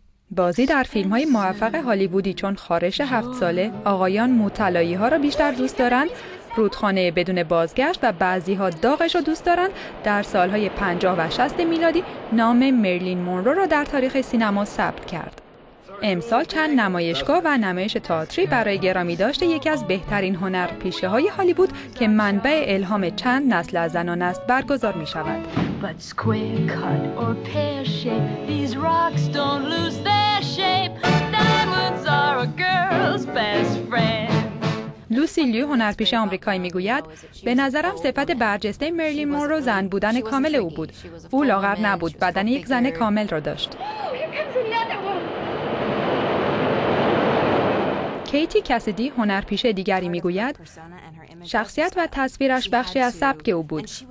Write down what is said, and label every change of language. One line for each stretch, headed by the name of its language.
Persian: بازی در فیلم‌های موفق هالیوودی چون خارش 7 ساله، آقایان موطلایی‌ها را بیشتر دوست دارند، رودخانه بدون بازگشت و بعضی‌ها داغش را دوست دارند، در سال‌های 50 و 60 میلادی نام مرلین مونرو را در تاریخ سینما ثبت کرد. امسال چند نمایشگاه و نمایش تئاتری برای گرامی داشته یکی از بهترین هنرپیشه‌های هالیوود که منبع الهام چند نسل از زنان است برگزار می‌شود.
English: But square cut or pear shape, these rocks don't lose their shape. Diamonds are a girl's best friend.
Persian: لوسی لیو، هنرپیشه آمریکایی، میگوید به نظرم صفت برجسته مرلین مونرو زن بودن کامل او بود. او لاغر نبود، بدن یک زن کامل را داشت. کیتی کسیدی، هنرپیشه دیگری، میگوید شخصیت و تصویرش بخشی از سبک او بود.